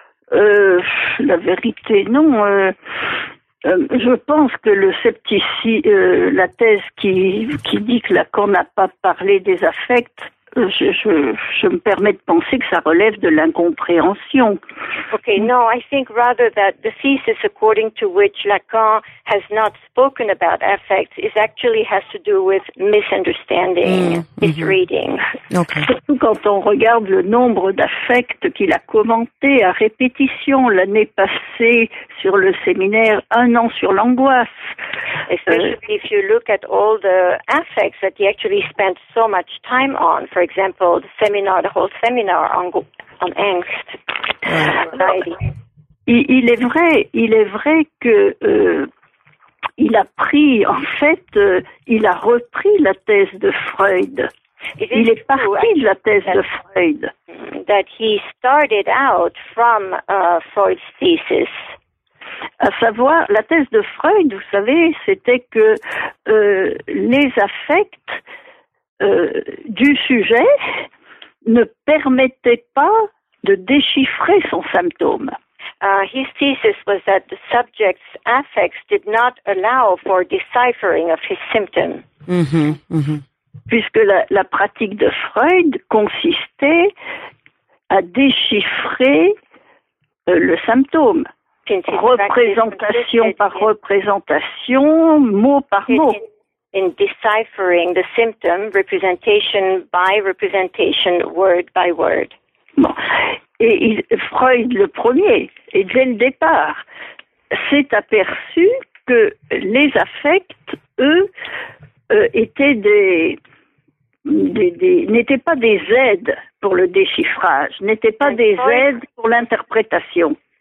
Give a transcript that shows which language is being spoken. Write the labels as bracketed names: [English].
[French] La vérité, non. Je pense que le scepticisme, la thèse qui dit que Lacan n'a pas parlé des affects, je me permets de penser que ça relève de l'incompréhension. [English] Okay, no, I think rather that the thesis according to which Lacan has not spoken about affects is actually has to do with misunderstanding, misreading. Okay. [French] Surtout quand on regarde le nombre d'affects qu'il a commenté à répétition l'année passée sur le séminaire Un an sur l'angoisse. [English] Especially if you look at all the affects that he actually spent so much time on, for example, the seminar, the whole seminar on angst. [French] Il est vrai que il a pris, en fait, il a repris la thèse de Freud. Il est parti de la thèse de Freud. [English] That he started out from Freud's thesis. [French] À savoir, la thèse de Freud, vous savez, c'était que les affects du sujet ne permettaient pas de déchiffrer son symptôme. [English] His thesis was that the subject's affects did not allow for deciphering of his symptom. [French] Puisque la pratique de Freud consistait à déchiffrer le symptôme. Représentation par représentation, mot par mot. [English] In deciphering the symptom, representation by representation, word by word. [French] Bon. Et Freud, le premier, et dès le départ, s'est aperçu que les affects, eux, étaient n'étaient pas des aides pour le déchiffrage, n'étaient pas des aides pour l'interprétation.